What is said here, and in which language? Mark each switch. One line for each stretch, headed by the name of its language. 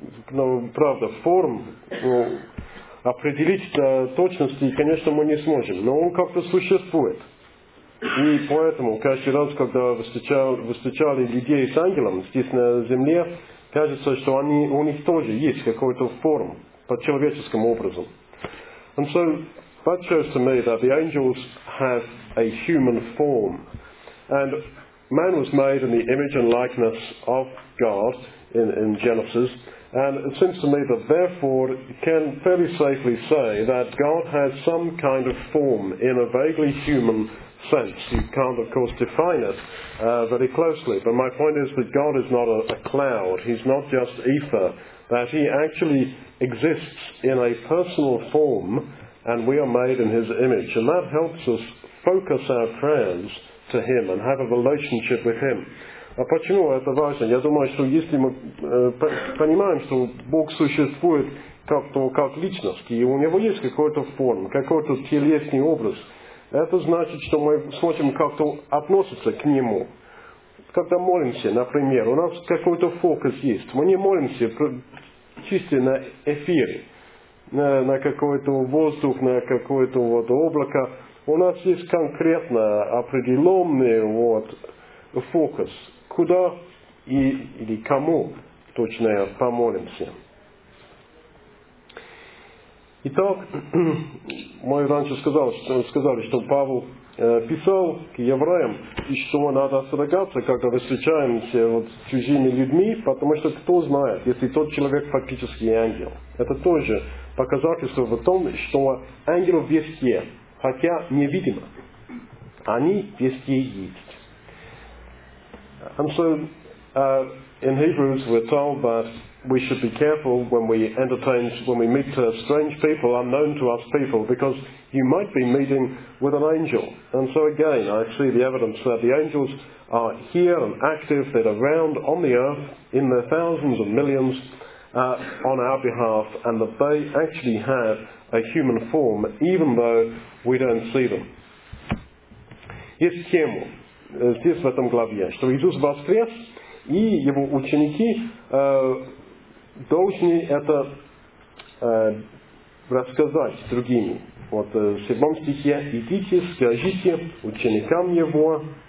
Russian: Но, правда, форм определить до точности, конечно, мы не сможем. Но он как-то существует. И поэтому каждый раз, когда встречали людей с ангелом здесь на земле, кажется, что они, у них тоже есть какой-то форм по человеческим образом.
English: And so that shows to me that the angels have a human form. And man was made in the image and likeness of God in Genesis. And it seems to me that therefore you can fairly safely say that God has some kind of form in a vaguely human sense. You can't, of course, define it very closely. But my point is that God is not a cloud. He's not just ether. That he actually exists in a personal form, and we are made in his image. And that helps us focus our prayers to him and have a relationship with him.
Russian: А почему это важно? Я думаю, что если мы понимаем, что Бог существует как личность, и у него есть какой-то форм, какой-то телесный образ, это значит, что мы сможем как-то относиться к нему. Когда молимся, например, у нас какой-то фокус есть. Мы не молимся чисто на эфире, на какой-то воздух, на какое-то облако. У нас есть конкретно определенный фокус, куда или кому точно помолимся. Итак, мы раньше сказали, что Павел писал к евреям, и что надо остерегаться, когда встречаемся с чужими людьми, потому что кто знает, если тот человек фактически ангел. Это тоже показательство в том, что ангелы везде, хотя невидимо, они везде есть.
English: And so, in Hebrews, we're told that we should be careful when we meet strange people, unknown to us people, because you might be meeting with an angel. And so again, I see the evidence that the angels are here and active, they're around on the earth, in their thousands and millions, on our behalf, and that they actually have a human form, even though we don't see them. Yes, Kemal.
Russian: Здесь в этом главе, что Иисус воскрес, и его ученики должны это рассказать другим. Вот в 7 стихе: «Идите, скажите ученикам Его».